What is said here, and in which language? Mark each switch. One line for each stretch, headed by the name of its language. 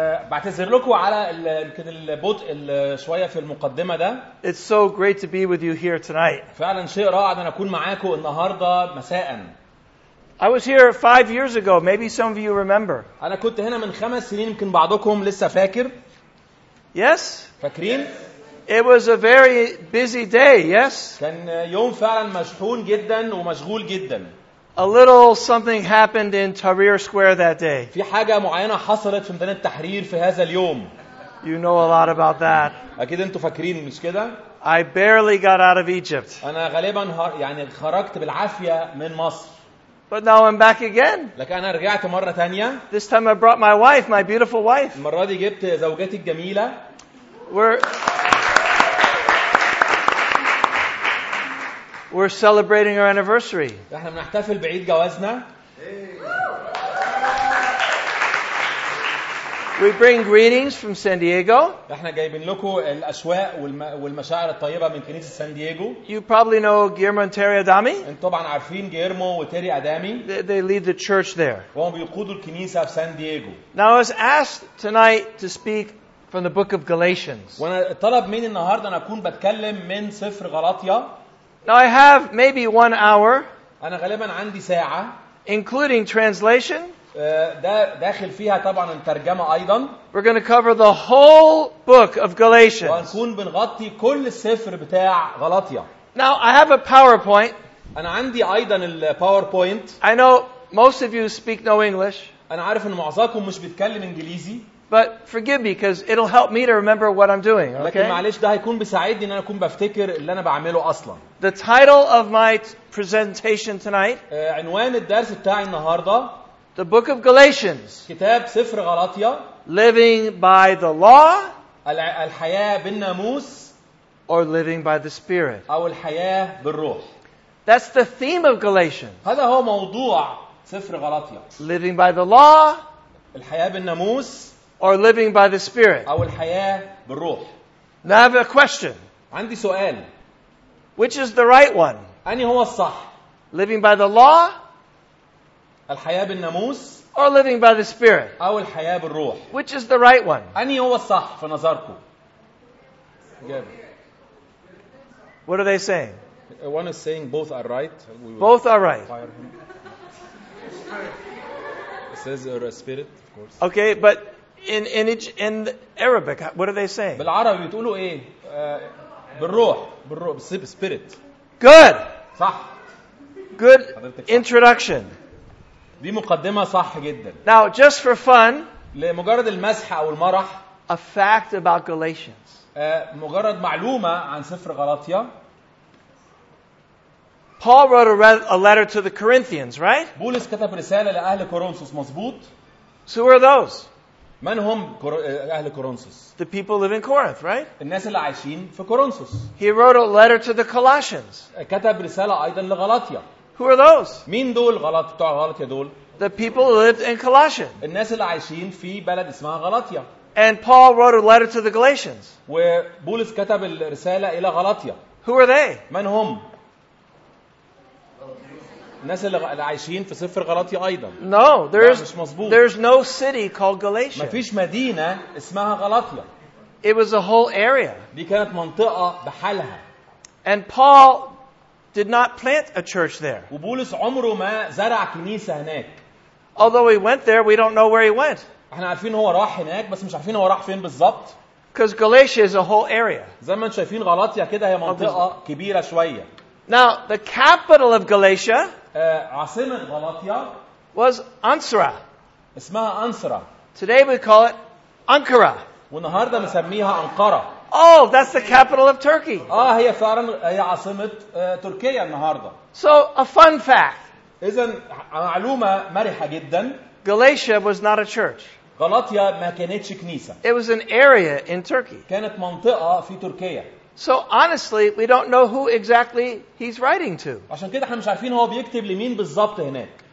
Arabic: بعتذر لكم على يمكن البطء شوية في المقدمة ده.
English: It's so great to be with you here tonight.
Arabic: فعلا شيء رائع أن أكون معاكم النهاردة مساء.
English: I was here 5 years ago. Maybe some of you remember.
Arabic: أنا كنت هنا من 5 سنين يمكن بعضكم لسه فاكر.
English: Yes.
Arabic: فاكرين؟
English: It was a very busy day. Yes.
Arabic: كان يوم فعلا مشحون جدا ومشغول جدا.
English: A little something happened in Tahrir Square that day.
Arabic: في حاجة معينة حصلت في ميدان التحرير في هذا اليوم.
English: You know a lot about that.
Arabic: أكيد أنتوا فاكرين مش كده؟
English: I barely got out of Egypt.
Arabic: أنا غالباً يعني خرجت بالعافية من مصر.
English: But now I'm back again.
Arabic: لكن أنا رجعت مرة تانية.
English: This time I brought my wife, my beautiful wife.
Arabic: المرة دي جبت زوجتي الجميلة.
English: We're celebrating our anniversary.
Arabic: احنا بنحتفل بعيد جوازنا.
English: We bring greetings from San Diego.
Arabic: احنا جايبين لكم الاشواق والمشاعر الطيبه من كنيسه سان دييغو.
English: You probably know Guillermo and Terry Adami.
Arabic: انتوا طبعا عارفين جيرمو وتيري ادامي.
English: They lead the church there.
Arabic: وهم بيقودوا الكنيسه في سان دييغو.
English: Now I was asked tonight to speak from the book of Galatians.
Arabic: وانا طلب مني النهارده ان اكون بتكلم من سفر غلاطيا.
English: Now I have maybe 1 hour,
Arabic: أنا غالباً عندي ساعة,
English: including translation.
Arabic: داخل فيها طبعاً الترجمة أيضاً.
English: We're going to cover the whole book of Galatians.
Arabic: وهنكون بنغطي كل السفر بتاع غلاطية.
English: Now I have a PowerPoint.
Arabic: أنا عندي أيضاً الPowerPoint.
English: I know most of you speak no English.
Arabic: أنا عارف إن معظمكم مش بيتكلم إنجليزي.
English: But forgive me because it'll help me to remember what I'm doing.
Arabic: لكن معلش ده هيكون بيساعدني ان انا اكون بفتكر اللي انا بعمله اصلا.
English: The title of my presentation tonight.
Arabic: عنوان الدرس بتاعي النهارده.
English: The book of Galatians.
Arabic: كتاب سفر غلاطيا.
English: Living by the law.
Arabic: الحياة بالناموس.
English: Or living by the spirit.
Arabic: او الحياة بالروح.
English: That's the theme of Galatians.
Arabic: هذا هو موضوع سفر غلاطيا.
English: Living by the law.
Arabic: الحياة بالناموس.
English: Or living by the Spirit.
Arabic: أو الحياة بالروح.
English: Now I have a question.
Arabic: عندي سؤال.
English: Which is the right one?
Arabic: أني هو الصح.
English: Living by the law.
Arabic: الحياة بالناموس.
English: Or living by the Spirit.
Arabic: أو الحياة بالروح.
English: Which is the right one?
Arabic: أني هو الصح في نظركم. جاب.
English: What are they saying? One is saying both are right. We both are right. It says or Spirit, of course. Okay, but. In Arabic, what are they saying?
Arabic: بالعربي بتقولوا إيه؟ بالروح, بالروح,
English: spirit. Good.
Arabic: صح.
English: Good introduction.
Arabic: دي مقدمة صح جدا.
English: Now, just for fun.
Arabic: لمجرد المزح أو المرح.
English: A fact about Galatians.
Arabic: مجرد معلومة عن سفر غلاطية.
English: Paul wrote a letter to the Corinthians, right?
Arabic: بولس كتب رسالة لأهل كورنثوس مظبوط.
English: So who are those?
Arabic: من هم أهل كورنثوس؟
English: The people live in Corinth, right?
Arabic: الناس اللي عايشين في كورنثوس.
English: He wrote a letter to the Colossians.
Arabic: كتب رسالة أيضا لغلاطيا.
English: Who are those?
Arabic: مين دول غلاط بتوع غلاطيا دول؟
English: The people lived in Colossians.
Arabic: الناس اللي عايشين في بلد اسمها غلاطيا.
English: And Paul wrote a letter to the Galatians.
Arabic: وبولس كتب الرسالة إلى غلاطيا.
English: Who are they?
Arabic: من هم؟ الناس اللي عايشين في سفر غلاطيا ايضا.
English: No, there's no city called Galatia.
Arabic: مفيش مدينة اسمها غلاطيا.
English: It was a whole area.
Arabic: دي كانت منطقة بحالها.
English: And Paul did not plant a church there.
Arabic: وبولس عمره ما زرع كنيسة هناك.
English: Although he went there, we don't know where he went.
Arabic: احنا عارفين هو راح هناك بس مش عارفين هو راح فين بالظبط.
English: Because Galatia is a whole area.
Arabic: زي ما انتم شايفين غلاطيا كده هي منطقة كبيرة شوية.
English: Now, the capital of Galatia
Arabic: عاصمة غلاطيا
English: was Ancyra.
Arabic: اسمها أنصرة.
English: Today we call it Ankara.
Arabic: والنهاردة نسميها أنقرة.
English: Oh, that's the capital of Turkey.
Arabic: هي فعلا هي عاصمة تركيا النهاردة.
English: So, a fun fact.
Arabic: إذن معلومة مرحة جدا.
English: Galatia was not a church.
Arabic: غلاطيا ما كانتش كنيسة.
English: It was an area in Turkey.
Arabic: كانت منطقة في تركيا.
English: So honestly, we don't know who exactly he's writing to.
Arabic: عشان كده احنا مش عارفين هو بيكتب لمين بالظبط هناك.